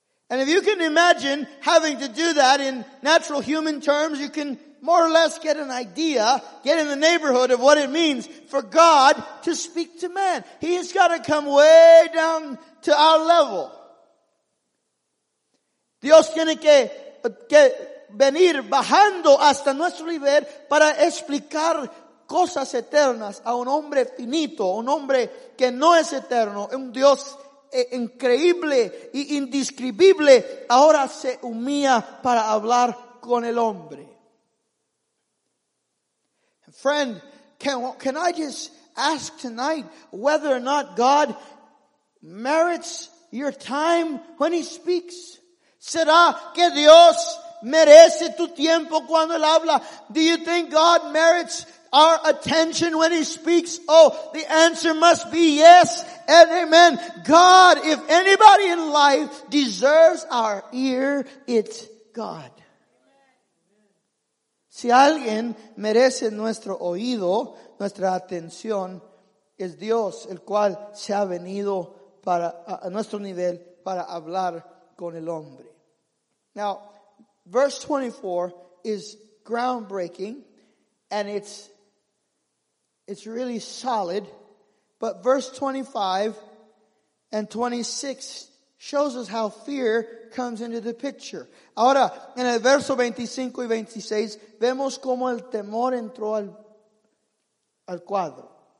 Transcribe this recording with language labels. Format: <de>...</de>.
<en>And if you can imagine having to do that in natural human terms, you can more or less get an idea, get in the neighborhood of what it means for God to speak to man. He's got to come way down to our level.</en> <es>Dios tiene que venir bajando hasta nuestro nivel para explicar cosas eternas a un hombre finito, un hombre que no es eterno, un Dios increíble e indescriptible. Ahora se humilla para hablar con el hombre.</es> <en>Friend, can I just ask tonight whether or not God merits your time when He speaks?</en> <es>¿Será que Dios merece tu tiempo cuando él habla?</es> <en>Do you think God merits our attention when He speaks? Oh, the answer must be yes and amen. God, if anybody in life deserves our ear, it's God.</en> <es>Si alguien merece nuestro oído, nuestra atención, es Dios, el cual se ha venido para a nuestro nivel para hablar con el hombre.</es> <en>Now, verse 24 is groundbreaking, and it's really solid, but verse 25 and 26 shows us how fear comes into the picture.</en> <es>Ahora, en el verso 25 y 26, vemos cómo el temor entró al cuadro.</es>